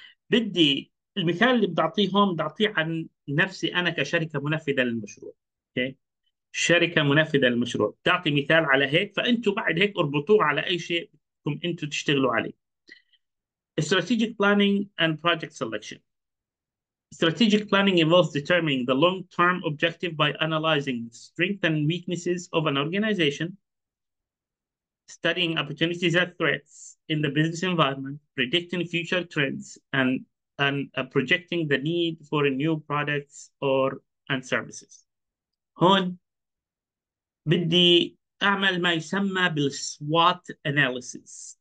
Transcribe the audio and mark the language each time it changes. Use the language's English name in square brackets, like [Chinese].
[Arabic] بدي المثال اللي بدي اعطيه هون بدي اعطيه عن نفسي انا كشركه منفذه للمشروع. شركة منافذة للمشروع، تعطي مثال على هيك، فأنتم بعد هيك اربطوه على أي شيء بدكم أنتم تشتغلوا عليه. [English] Strategic planning and project selection. Strategic planning involves determining the long-term objective by analyzing the strengths and weaknesses of an organization, studying opportunities and threats in the business environment, predicting future trends, and projecting the need for new products or and services. [Arabic] هون بدي أعمل ما يسمى بال SWOT analysis.